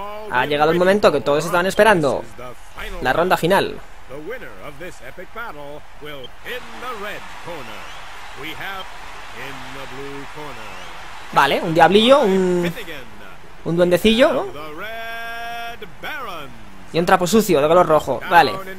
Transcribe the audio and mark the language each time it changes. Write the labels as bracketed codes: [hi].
[es] Ha llegado el momento que todos estaban esperando. La ronda final. [en] The winner of this epic battle will in the red corner. We have in the blue corner. [es] Vale, un diablillo, un duendecillo, ¿no? The red baron. Y un trapo sucio de color rojo. Vale.